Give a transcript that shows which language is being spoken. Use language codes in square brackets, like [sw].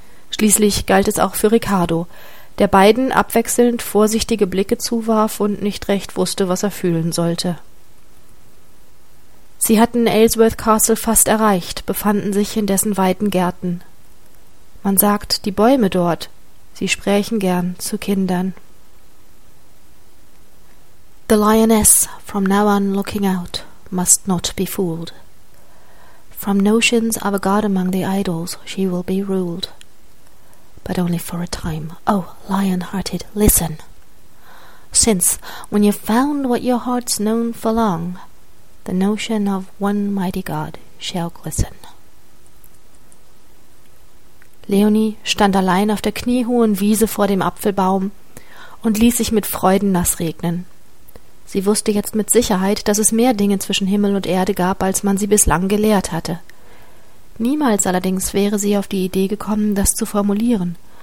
[de] Schließlich galt es auch für Ricardo, der beiden abwechselnd vorsichtige Blicke zuwarf und nicht recht wusste, was er fühlen sollte. Sie hatten Aylesworth Castle fast erreicht, befanden sich in dessen weiten Gärten. Man sagt, die Bäume dort, sie sprächen gern zu Kindern. [en] The lioness, from now on looking out, must not be fooled. From notions of a god among the idols, she will be ruled. But only for a time. Oh, lion-hearted, listen. Since, when you've found what your heart's known for long, the notion of one mighty God shall glisten. [de] Leonie stand allein auf der kniehohen Wiese vor dem Apfelbaum und ließ sich mit Freuden nass regnen. Sie wusste jetzt mit Sicherheit, dass es mehr Dinge zwischen Himmel und Erde gab, als man sie bislang gelehrt hatte. Niemals allerdings wäre sie auf die Idee gekommen, das zu formulieren.